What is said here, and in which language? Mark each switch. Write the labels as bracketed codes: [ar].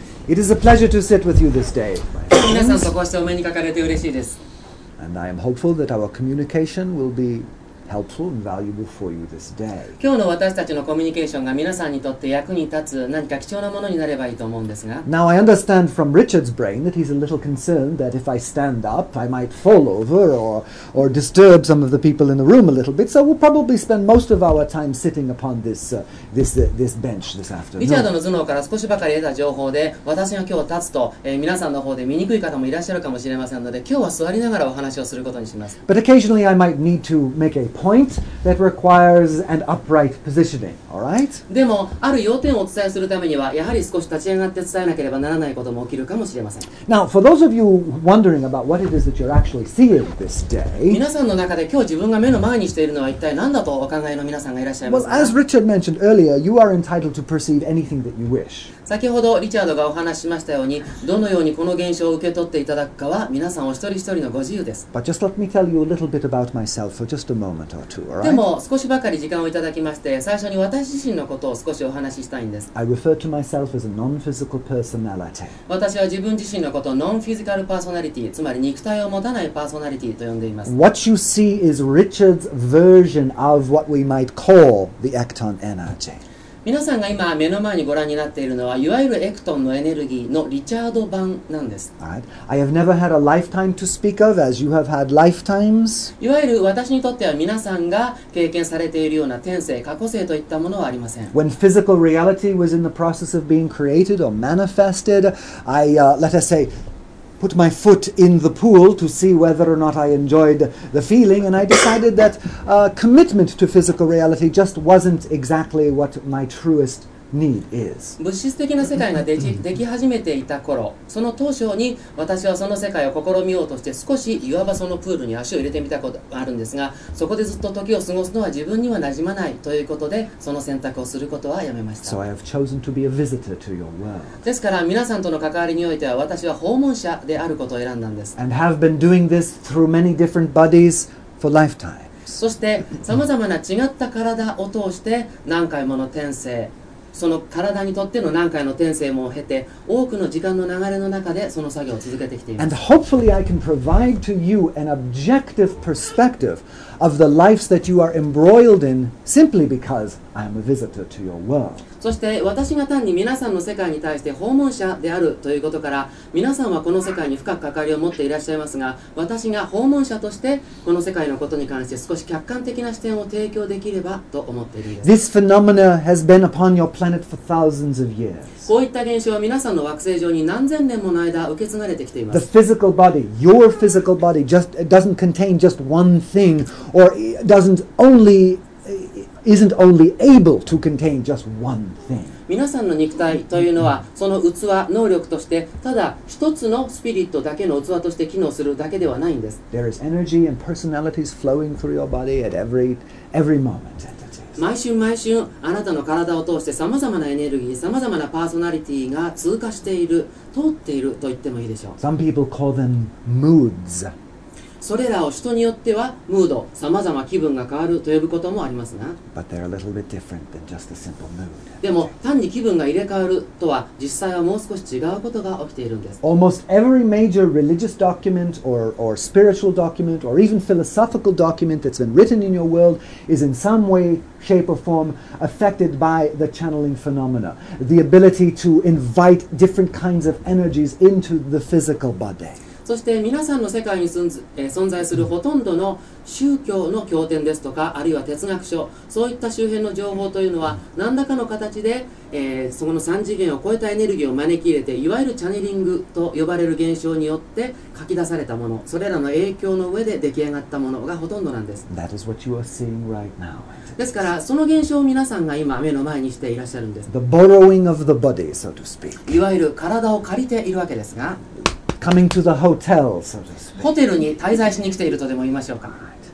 [en] It is a pleasure to sit with you this day, my friends. [ja] 皆さんとこうしてお目にかかれて嬉しいです。 [en] And I am hopeful that our communication will be helpful and valuable for you this day. [ja] 今日の私たちのコミュニケーションが皆さんにとって役に立つ何か貴重なものになればいいと思うんですが。 [en] Now I understand from Richard's brain that he's a little concerned that if I stand up, I might fall over or disturb some of the people in the room a little bit. So we'll probably spend most of our time sitting upon this bench this afternoon. [ja] リチャードの頭脳から少しばかり得た情報で、私が今日立つと、皆さんの方で見にくい方もいらっしゃるかもしれませんので、今日は座りながらお話をすることにします。 [en] But occasionally I might need to make a point that requires an upright positioning, all right? [ja] でもある要点をお伝えするためにはやはり少し立ち上がって伝えなければならないことも起きるかもしれません。 [en] Now, for those of you wondering about what it is that you're actually seeing this day, [ja] 皆さんの中で今日自分が目の前にしているのは一体何だとお考えの皆さんがいらっしゃいますか? [en] Well, as Richard mentioned earlier, you are entitled to perceive anything that you wish. [ja] 先ほどリチャードがお話しましたように、どのようにこの現象を受け取っていただくかは皆さんお一人一人のご自由です。 [en] But just let me tell you a little bit about myself for just a moment. Or two, all right? [ja] でも少しばかり時間をいただきまして、最初に私自身のことを少しお話ししたいんです。 [en] I refer to myself as a non-physical personality. [ja] 私は自分自身のことをノンフィジカルパーソナリティ、つまり肉体を持たないパーソナリティと呼んでいます。 [en] What you see is Richard's version of what we might call the ecton energy. [ja] 皆さんが今目の前にご覧になっているのは、いわゆるエクトンのエネルギーのリチャード版なんです。 [en] Right. I have never had a lifetime to speak of, as you have had lifetimes. [ja] いわゆる私にとっては皆さんが経験されているような転生、過去生といったものはありません。 [en] When physical reality was in the process of being created or manifested, I, let us say,put my foot in the pool to see whether or not I enjoyed the feeling and I decided that commitment to physical reality just wasn't exactly what my truest need is. [ja] 物質的な世界ができ始めていた頃、その当初に私はその世界を試みようとして少しいわばそのプールに足を入れてみたことがあるんですが、そこでずっと時を過ごすのは自分には馴染まないということで、その選択をすることはやめました。 [en] So I have chosen to be a visitor to your world. [ja] ですから皆さんとの関わりにおいては私は訪問者であることを選んだんです。 [en] And have been doing this through many different bodies for lifetime. [ja] そして様々な違った体を通して何回もの転生、その体にとっての何回の転生も経て、多くの時間の流れの中でその作業を続けてきています。 [en] And hopefully I can provide to you an objective perspective of the lives that you are embroiled in simply because I am a visitor to your world. [ja] そして私が単に皆さんの世界に対して訪問者であるということから、皆さんはこの世界に深く関わりを持っていらっしゃいますが、私が訪問者としてこの世界のことに関して少し客観的な視点を提供できればと思っているんです。 [en] This phenomena has been upon your planet for thousands of years. [ja] こういった現象は皆さんの惑星上に何千年もの間受け継がれてきています。 [en] The physical body, your physical body, just doesn't contain just one thing or doesn't onlyisn't only able to contain just one thing. [ja] 皆さんの肉体というのはその器、能力としてただ一つのスピリットだけの器として機能するだけではないんです。 [en] There is energy and personalities flowing through your body at every moment. [ja] 毎週毎週あなたの体を通して様々なエネルギー、様々なパーソナリティが通過している、通っていると言ってもいいでしょう。 [en] Some people call them moods. [ja] それらを人によってはムード、さまざま気分が変わると呼ぶこともありますが、 [en] But they're a little bit different than just a simple mood. [ja] でも単に気分が入れ替わるとは実際はもう少し違うことが起きているんです。 [en] Almost every major religious document or spiritual document or even philosophical document that's been written in your world is in some way, shape or form affected by the channeling phenomena, the ability to invite different kinds of energies into the physical body. [ja] そして皆さんの世界に存在するほとんどの宗教の経典ですとか、あるいは哲学書、そういった周辺の情報というのは何らかの形で、そこの3次元を超えたエネルギーを招き入れて、いわゆるチャネリングと呼ばれる現象によって書き出されたもの、それらの影響の上で出来上がったものがほとんどなんです。 [en] That is what you are seeing right now. [ja] ですから、その現象を皆さんが今目の前にしていらっしゃるんです。 [en] The borrowing of the body, so to speak. [ja] いわゆる体を借りているわけですが、 [en] Coming to the hotel, so to speak. [ja] ホテルに滞在しに来ているとでも言いましょうか。